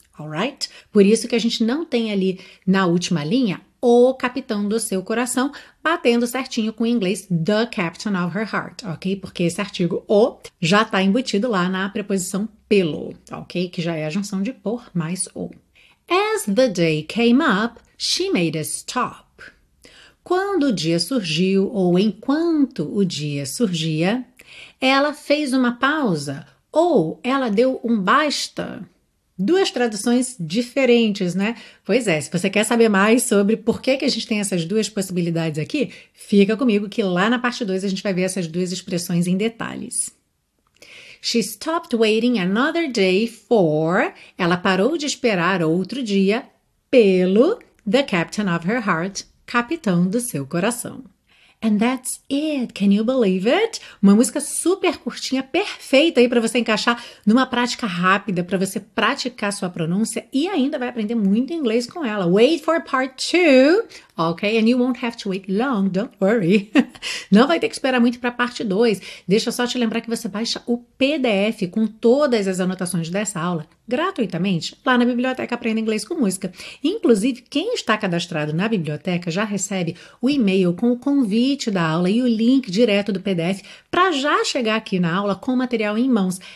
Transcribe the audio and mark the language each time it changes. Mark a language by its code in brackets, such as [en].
[pt] Alright? Por isso que a gente não tem ali na última linha o capitão do seu coração, batendo certinho com o inglês [en] the captain of her heart, [pt] ok? Porque esse artigo o já está embutido lá na preposição pelo, ok? Que já é a junção de por mais o. [en] As the day came up, she made a stop. [pt] Quando o dia surgiu, ou enquanto o dia surgia, ela fez uma pausa, ou ela deu um basta. Duas traduções diferentes, né? Pois é, se você quer saber mais sobre por que que a gente tem essas duas possibilidades aqui, fica comigo que lá na parte 2 a gente vai ver essas duas expressões em detalhes. [en] She stopped waiting another day for. [pt] Ela parou de esperar outro dia pelo [en] the captain of her heart, [pt] capitão do seu coração. [en] And that's it. Can you believe it? [pt] Uma música super curtinha, perfeita aí para você encaixar numa prática rápida, para você praticar sua pronúncia e ainda vai aprender muito inglês com ela. [en] Wait for part two, okay? And you won't have to wait long, don't worry. [pt] Não vai ter que esperar muito para parte 2. Deixa só te lembrar que você baixa o PDF com todas as anotações dessa aula gratuitamente lá na Biblioteca Aprenda Inglês com Música. Inclusive, quem está cadastrado na biblioteca já recebe o e-mail com o convite da aula e o link direto do PDF para já chegar aqui na aula com o material em mãos.